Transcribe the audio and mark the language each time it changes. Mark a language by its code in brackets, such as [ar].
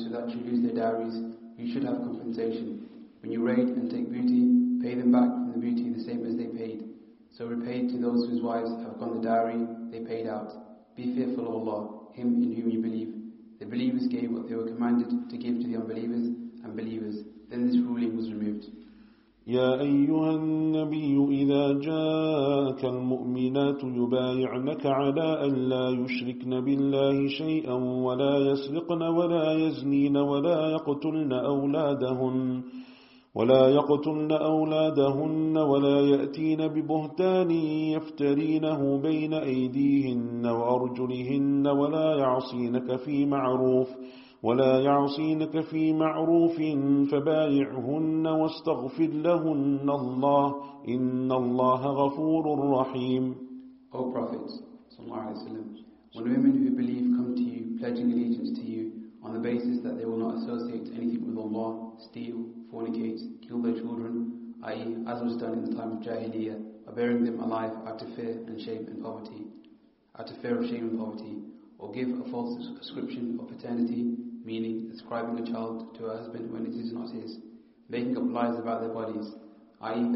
[en] so that you lose their dowries, you should have compensation. When you raid and take booty, pay them back from the booty the same as they paid. So repay to those whose wives have gone the dowry they paid out. Be fearful of Allah, Him in whom you believe. The believers gave what they were commanded to give to the unbelievers and believers. Then this ruling was removed. [ar] يا أيها النبي إذا جاءك المؤمنات يبايعنك على أن لا يشركن بالله شيئا ولا يسرقن ولا يزنين ولا يقتلن أولادهن ولا يقتلن أولادهن ولا يأتين ببهتان يفترينه بين أيديهن وأرجلهن ولا يعصينك في معروف ولا يعصينك في معروف فبايعهن واستغفر لهن الله إن الله غفور رحيم. [en] O Prophet [ar] صلى الله عليه وسلم, [en] when women who believe come to you pledging allegiance to you on the basis that they will not associate anything with Allah, steal, fornicate, kill their children, i.e. as was done in the time of Jahiliyyah, are burying them alive out of fear and shame and poverty, out of fear of shame and poverty, or give a false ascription of paternity, meaning ascribing a child to a husband when it is not his, making up lies about their bodies, i.e.